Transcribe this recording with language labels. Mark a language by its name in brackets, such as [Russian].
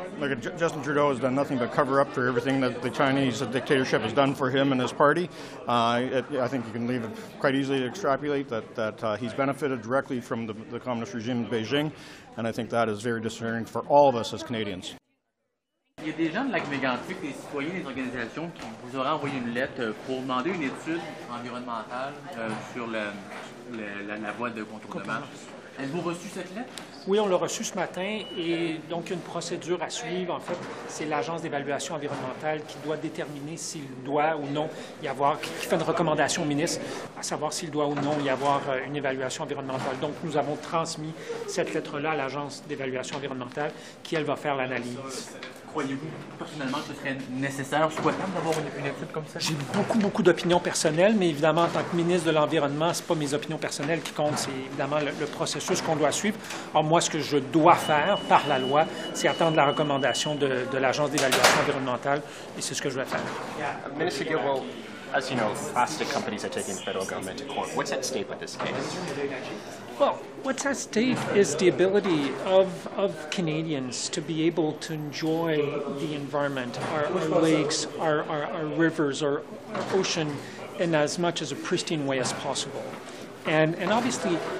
[English] Look, Justin Trudeau has done nothing but cover up for everything that the Chinese dictatorship has done for him and his party. I think you can leave it quite easily to extrapolate that he's benefited directly from the communist regime in Beijing. And I think that is very discerning for all of us as Canadians. [French] Il y a des gens de la Mégantic, des citoyens, des organisations qui vous auraient envoyé une lettre pour demander une étude environnementale sur la voie de contour de marche. Avez-vous reçu cette lettre? Oui, on l'a reçue ce matin et donc une procédure à suivre. En fait, c'est l'Agence d'évaluation environnementale qui doit déterminer s'il doit ou non y avoir, qui fait une recommandation au ministre, à savoir s'il doit ou non y avoir une évaluation environnementale. Donc, nous avons transmis cette lettre-là à l'Agence d'évaluation environnementale qui, elle, va faire l'analyse. Croyez-vous personnellement que ce serait nécessaire, souhaitable d'avoir une étude comme ça? J'ai beaucoup d'opinions personnelles, mais évidemment, en tant que ministre de l'Environnement, ce n'est pas mes opinions personnelles qui comptent, c'est évidemment le processus qu'on doit suivre. Alors moi, ce que je dois faire par la loi, c'est attendre la recommandation de l'Agence d'évaluation environnementale, et c'est ce que je vais faire. [English] Minister Guilbeault, as you know, plastic companies are taking the federal government to court. What's at stake with this case? Well, what's at stake is the ability of Canadians to be able to enjoy the environment, our lakes, our rivers, our ocean, in as much as a pristine way as possible. And obviously,